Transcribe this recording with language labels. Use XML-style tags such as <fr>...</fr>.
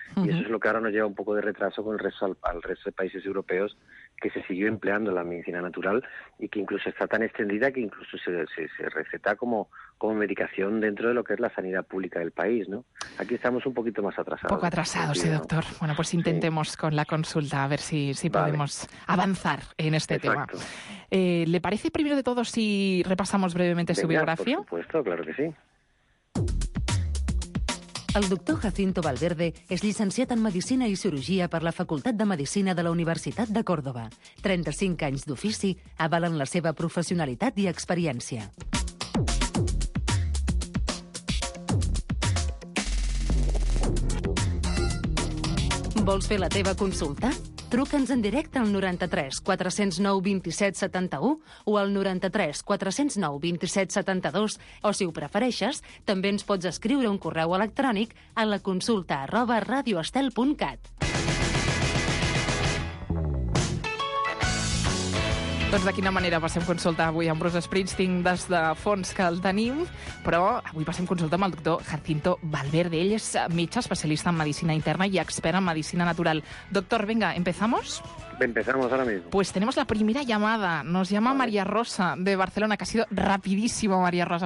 <es>Uh-huh. Y eso es lo que ahora nos lleva un poco de retraso con el resto al resto de países europeos, que se siguió empleando la medicina natural y que incluso está tan extendida que incluso se receta como medicación dentro de lo que es la sanidad pública del país, ¿no? Aquí estamos un poquito más atrasados. Poco atrasados, sí, doctor. ¿No? Bueno, pues intentemos con la consulta a ver si podemos avanzar en este Exacto. tema. ¿Le parece primero de todo si repasamos brevemente su biografía? Por supuesto, claro que sí.</es> <ca>El doctor Jacinto Valverde és llicenciat en Medicina i Cirurgia per la Facultat de Medicina de la Universitat de Còrdoba. 35 anys d'ofici avalen la seva professionalitat i experiència. Vols fer la teva consulta? Truca'ns en directe al 93 409 2771 o al 93 409 2772 o, si ho prefereixes, també ens pots escriure un correu electrònic a la consulta @radioestel.cat. Doncs de quina manera passem consulta avui amb Bruce Springsteen des de fons que el tenim, però avui passem consulta amb el doctor Jacinto Valverde. Ell és metge especialista en medicina interna i expert en medicina natural.</ca> <es>Doctor, venga, ¿empezamos? Empezamos ahora mismo. Pues tenemos la primera llamada. Nos llama María Rosa de Barcelona, que ha sido rapidísimo, María Rosa.</es>